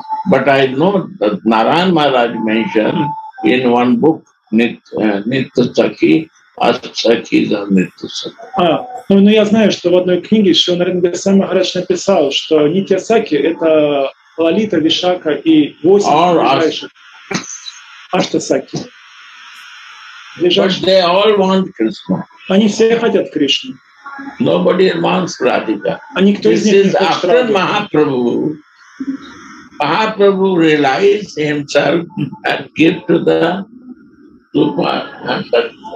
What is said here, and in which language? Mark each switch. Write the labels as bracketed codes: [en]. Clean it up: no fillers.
[en] But I know that Narayan Maharaj mentioned in one book Nitya Sakhi, Asakhi is Nitya Sakhi. [ru] Ну я знаю, что в одной книге Шрила Нарайана Махарадж написал, что Нитья Сакхи — это Лалита, Вишака и восемь ближайших. Ашта Сакхи. [en] But they all want Krishna. [ru] Они все хотят Кришну. [en] Nobody wants Radhika. [ru] А никто из них не хочет Радхи. [en] This is after Mahaprabhu. Mahaprabhu realized himself and give to the Rupa and the